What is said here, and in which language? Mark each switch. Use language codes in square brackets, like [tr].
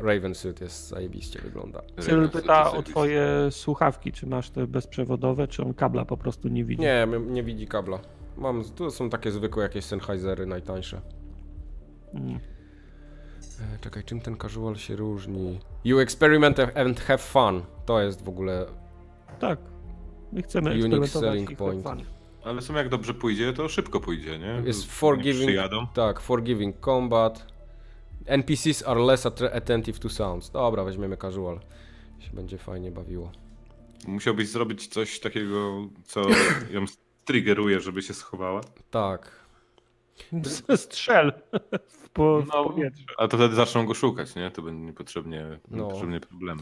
[pl] Raven suit jest zajebiście wygląda. Cyril pyta o twoje słuchawki. Czy masz te bezprzewodowe, czy on kabla po prostu nie widzi? Nie, nie widzi kabla. Mam, tu są takie zwykłe jakieś Sennheisery najtańsze. Czekaj, czym ten casual się różni? [en] You experiment and have fun. [pl] To jest w ogóle... Tak. My chcemy eksperymentować selling point. Ale w sumie jak dobrze pójdzie, to szybko pójdzie, nie? Jest forgiving, tak, forgiving combat. [en] NPCs are less attentive to sounds. [pl] Dobra, weźmiemy casual. Się będzie fajnie bawiło. Musiałbyś zrobić coś takiego, co ją triggeruje, żeby się schowała. Tak. Strzel w powietrze. A to wtedy zaczną go szukać, nie? To będzie niepotrzebnie problemy.